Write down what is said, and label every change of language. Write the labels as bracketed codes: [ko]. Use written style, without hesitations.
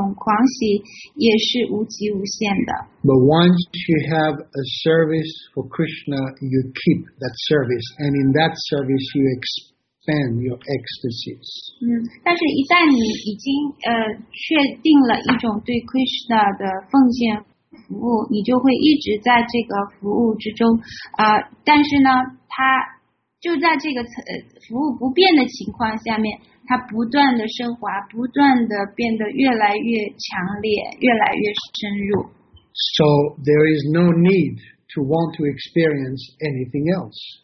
[zh] 所以呢，奉献者所体会到的这种狂喜也是无极无限的。But [en] once you have a service for Krishna, you keep that service, and in that service you expand your ecstasies. [zh] 但是一旦你已经确定了一种对 Krishna 的奉献， 服务，你就会一直在这个服务之中，但是呢，它就在这个服务不变的情况下面，它不断的升华，不断的变得越来越强烈，越来越深入。So [en] there is no need to want to experience anything else.